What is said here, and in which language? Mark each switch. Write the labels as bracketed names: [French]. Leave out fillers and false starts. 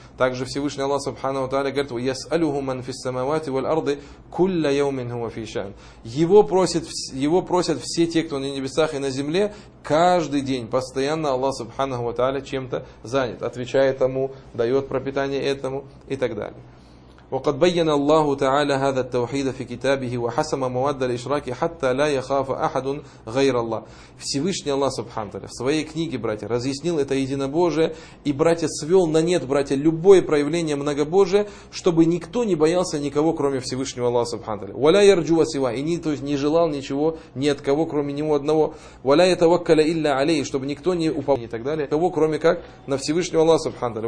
[Russian] Также Всевышний Аллах субханаху ва тааля говорит: [Arabic] "Ясалюху ман фис самавати валь арди кулля йаумин хува фи шан". [Russian] Его просят все те, кто на небесах и на земле. Каждый день постоянно Аллах субханаху ва тааля чем-то занят, отвечает ему, дает пропитание этому и так далее. [Arabic] وقد بين الله تعالى هذا التوحيد في كتابه وحسم مواد الإشراك حتى لا يخاف أحد غير الله. [Russian] Всевышний Аллах субхану тааля в своей книге, братья, разъяснил это единобожие и, братья, свел на нет, братья, любое проявление многобожия, чтобы никто не боялся никого, кроме Всевышнего Аллаха субхану тааля. [Arabic] ولا يرجو سوى, [Russian] и не, то есть не желал ничего ни от кого, кроме него одного. [Arabic] ولا يتوكل إلا عليه, [Russian] чтобы никто не упал, и так далее, кого, кроме как на Всевышнего Аллаха субхану тааля.